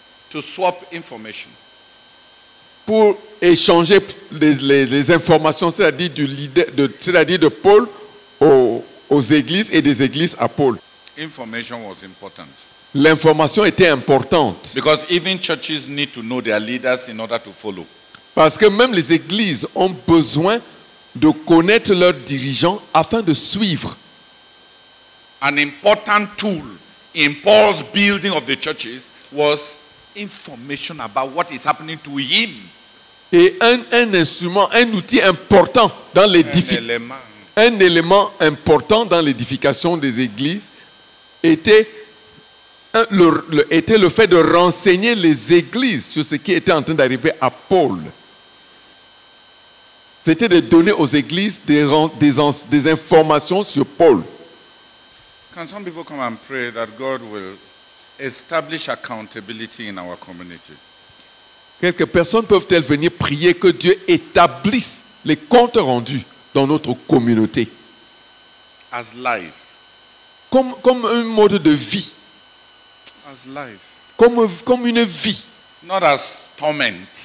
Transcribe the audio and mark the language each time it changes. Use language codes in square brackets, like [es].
[en] To swap information. [fr] Pour échanger les informations, c'est-à-dire du leader, c'est-à-dire de Paul aux églises et des églises à Paul. [en] Information was important. [fr] L'information était importante. [en] Because even churches need to know their leaders in order to follow. [fr] Parce que même les églises ont besoin de connaître leurs dirigeants afin de suivre. [en] An important tool in Paul's building of the churches was information about what is happening to him. [fr] Et un instrument, un outil important dans un élément important dans l'édification des églises était le fait de renseigner les églises sur ce qui était en train d'arriver à Paul. C'était de donner aux églises des informations sur Paul. [en] Can some people come and pray that God will establish accountability in our community? [fr] Quelques personnes peuvent-elles venir prier que Dieu établisse les comptes rendus dans notre communauté? [en] As life. [fr] Comme un mode de vie. [en] As life. [fr] Comme une vie. [en] Not as torment.